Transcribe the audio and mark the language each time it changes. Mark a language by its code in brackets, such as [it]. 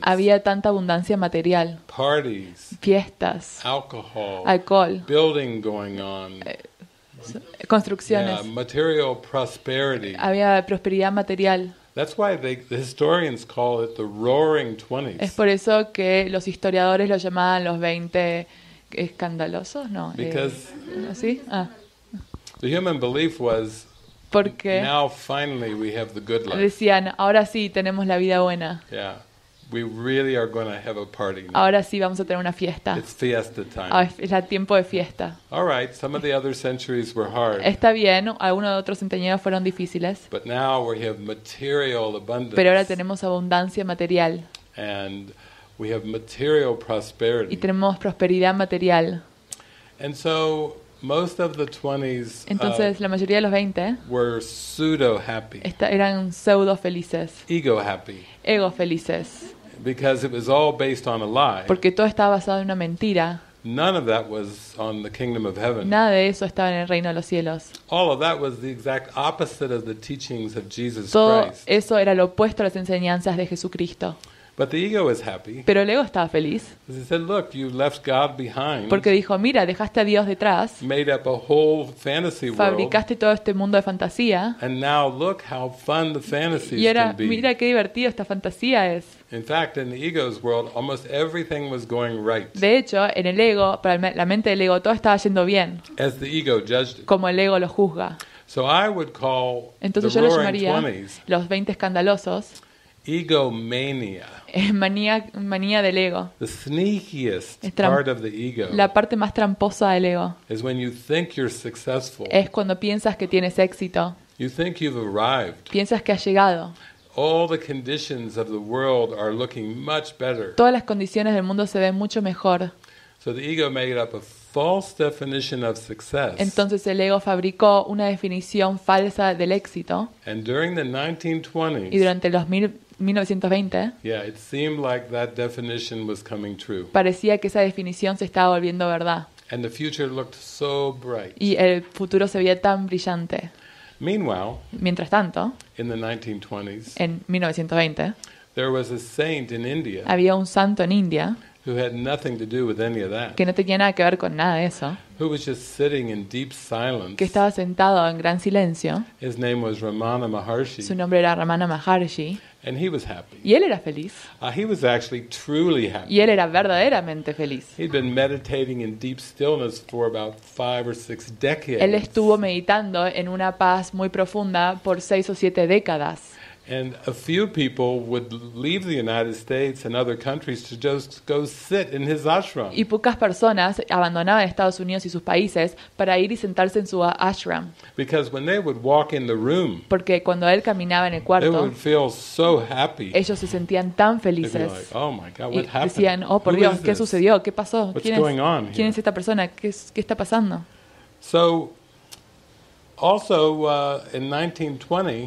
[es] Había tanta abundancia material. [en] Parties. [es] Fiestas. [en] Alcohol. Building going on. [es] Construcciones. [en] Yeah, material prosperity. [es] Había prosperidad material. [en] That's why the historians call it the Roaring Twenties. [es] Es por eso que los historiadores lo llamaban los 20 escandalosos, no. [en] Because [es] ¿sí? [en] The human belief was, [es] porque [en] now finally we have the good life. [es] Decían, ahora sí tenemos la vida buena. [en] Yeah, we really are going to have a party. Now. [es] Ahora sí vamos a tener una fiesta. [en] It's fiesta time. [es] Es el tiempo de fiesta. [en] All right, some of the other centuries were hard. [es] Está bien, algunos de otros centenarios fueron difíciles. [en] But now we have material abundance. [es] Pero ahora tenemos abundancia material. [en] And we have material prosperity. [es] Y tenemos prosperidad material. [en] And so Most of the 20s, [es] entonces la mayoría de los 20 [en] were pseudo happy. [es] Eran pseudo felices. [en] Ego happy. [es] Ego felices. [en] Because it was all based on a lie. [es] Porque todo estaba basado en una mentira. [en] None of that was on the kingdom of heaven. [es] Nada de eso estaba en el reino de los cielos. [en] All of that was the exact opposite of the teachings of Jesus [es] Todo eso era lo opuesto a las enseñanzas de Jesucristo. [en] But the ego was happy. [es] Pero el ego estaba feliz. [en] He said, "Look, you left God behind." [es] Porque dijo, mira, dejaste a Dios detrás. [en] Made up a whole fantasy world. [es] Fabricaste todo este mundo de fantasía. [en] And now look how fun the fantasies can be. [es] Y mira qué divertido esta fantasía es. [en] In fact, in the ego's world, almost everything was going right. [es] De hecho, en el ego, para la mente del ego, todo estaba yendo bien. [en] As the ego judged it. [es] Como el ego lo juzga. [en] So I would call [es] entonces [en] the [es] yo lo llamaría los 20 escandalosos. [en] Ego mania. [es] Manía del ego. [en] The sneakiest part of the ego. [es] La parte más tramposa del ego. [en] Is when you think you're successful. [es] Es cuando piensas que tienes éxito. [en] You think you've arrived. [es] Piensas que has llegado. [en] All the conditions of the world are looking much better. [es] Todas las condiciones del mundo se ven mucho mejor. [en] So the ego made up a false definition of success. [es] Entonces el ego fabricó una definición falsa del éxito. [en] And during the 1920s. [es] Y durante los 1920. [en] Yeah, it seemed like that definition was coming true. [es] Parecía que esa definición se estaba volviendo verdad. [en] And the future looked so bright. [es] Y el futuro se veía tan brillante. [en] Meanwhile, [es] mientras tanto, [en] in the 1920s, [es] en 1920, [en] there was a saint in India. [es] Había un santo en India. [en] Who had nothing to do with any of that. [es] Que no tenía nada que ver con nada de eso. [en] Who was just sitting in deep silence. [es] Que estaba sentado en gran silencio. [en] His name was Ramana Maharshi. [es] Su nombre era Ramana Maharshi. [en] And he was happy. [es] Y él era feliz. [en] He was actually truly happy. [es] Y él era verdaderamente feliz. [en] He'd been meditating in deep stillness for about 5 or 6 decades. [es] Él estuvo meditando en una paz muy profunda por 6 o 7 décadas. [en] And a few people would leave the United States and other countries to just go sit in his ashram. [es] Y pocas personas abandonaban Estados Unidos y sus países para ir y sentarse en su ashram. [en] Because when they would walk in the room, [es] porque cuando él caminaba en el cuarto, [en] they would feel so happy. [es] Ellos se sentían tan felices. [en] Like, oh my God, what happened? [es] Y decían, oh por Dios, ¿qué sucedió? ¿Qué pasó? [en] What's going on here? [es] ¿Quién es esta persona? ¿Qué está pasando? [en] So. Also in 1920,